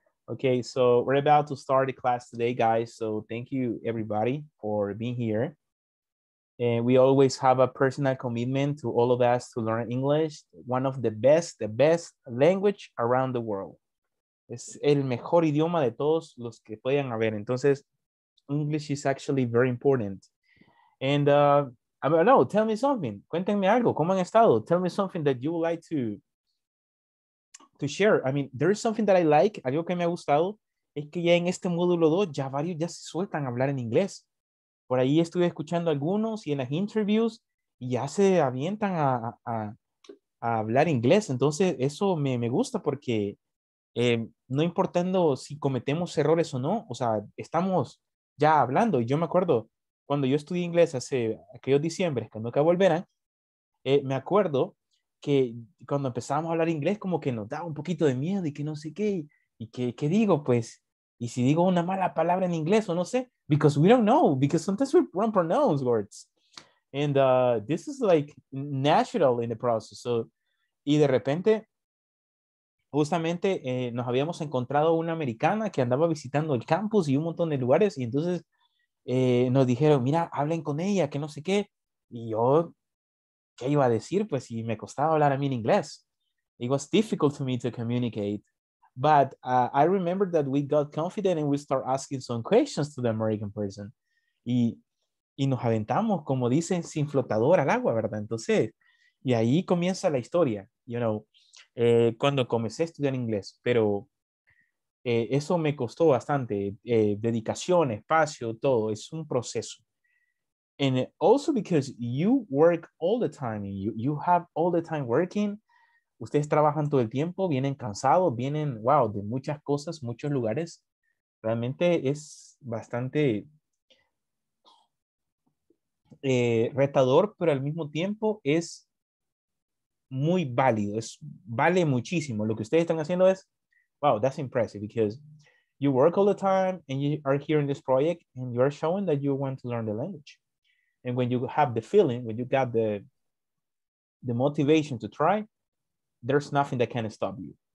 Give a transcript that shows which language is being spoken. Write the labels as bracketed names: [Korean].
[English] Okay, so we're about to start the class today, guys. So thank you, everybody, for being here. And we always have a personal commitment to all of us to learn English, one of the best language around the world. [Spanish] Es el mejor idioma de todos los que puedan haber. Entonces, [English] English is actually very important. And, I don't know, tell me something. [Spanish] Cuéntenme algo. ¿Cómo han estado? [English] Tell me something that you would like to share. I mean, there is something that I like. [Spanish] Algo que me ha gustado es que ya en este módulo 2 ya varios ya se sueltan a hablar en inglés. Por ahí estuve escuchando algunos y en las interviews y ya se avientan a hablar inglés. Entonces, eso me gusta porque no importando si cometemos errores o no, o sea, estamos ya hablando. Y yo me acuerdo cuando yo estudié inglés hace aquellos diciembre, cuando acá volverán, me acuerdo que cuando empezábamos a hablar inglés como que nos daba un poquito de miedo y que no sé qué. ¿Y qué digo? Pues, ¿y si digo una mala palabra en inglés o no sé? [English] Because we don't know, because sometimes we don't pronounce words. And this is like natural in the process. So, [Spanish] y de repente, justamente nos habíamos encontrado una americana que andaba visitando el campus y un montón de lugares. Y entonces nos dijeron, mira, hablen con ella, que no sé qué. Y yo, ¿qué iba a decir? Pues si me costaba hablar a mí en inglés. [English] It was difficult for me to communicate. But I remember that we got confident and we start asking some questions to the American person. [Spanish] Y nos aventamos, como dicen, sin flotador al agua, ¿verdad? Entonces, y ahí comienza la historia, [English] you know, [Spanish] cuando comencé a estudiar inglés. Pero eso me costó bastante, dedicación, espacio, todo. Es un proceso. [English] And also because you work all the time, you have all the time working. [Spanish] Ustedes trabajan todo el tiempo, vienen cansados, vienen, wow, de muchas cosas, muchos lugares. Realmente es bastante retador, pero al mismo tiempo es muy válido. Vale muchísimo. Lo que ustedes están haciendo es, [English] wow, that's impressive because you work all the time and you are here in this project and you are showing that you want to learn the language. And when you have the feeling, when you got the motivation to try, there's nothing that can stop you.